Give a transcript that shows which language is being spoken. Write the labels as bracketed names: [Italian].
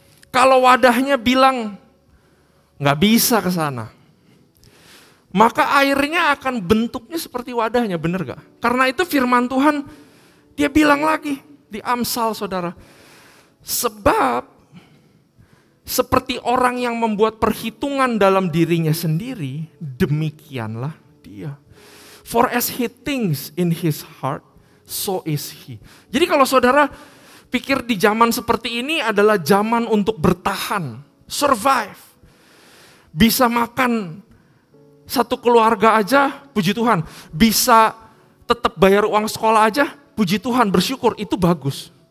[Indonesian] Kalau wadahnya bilang gak bisa kesana, maka airnya akan bentuknya seperti wadahnya, benar gak? Karena itu firman Tuhan, dia bilang lagi di Amsal saudara, sebab Seperti orang yang membuat perhitungan dalam dirinya sendiri, demikianlah dia. [English] For as he thinks in his heart, so is he. [Indonesian] Jadi kalau saudara pikir di zaman seperti ini adalah zaman untuk bertahan, survive. Bisa makan satu keluarga aja, puji Tuhan. Bisa tetap bayar uang sekolah aja, puji Tuhan, bersyukur, itu bagus.